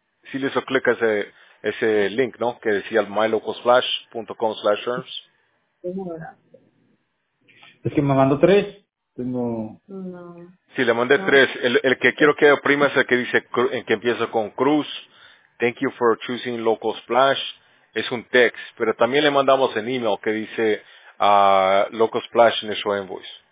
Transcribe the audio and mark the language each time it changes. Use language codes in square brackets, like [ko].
[es] Si le hizo clic a ese link, ¿no? Que decía mylocalsplash.com/terms. Es que me mandó tres. Tengo... No. Sí, le mandé tres. El que quiero que oprima es el que dice, en que empieza con Cruz. [en] Thank you for choosing Local Splash. [es] Es un text. Pero también le mandamos en email que dice Local Splash en su invoice.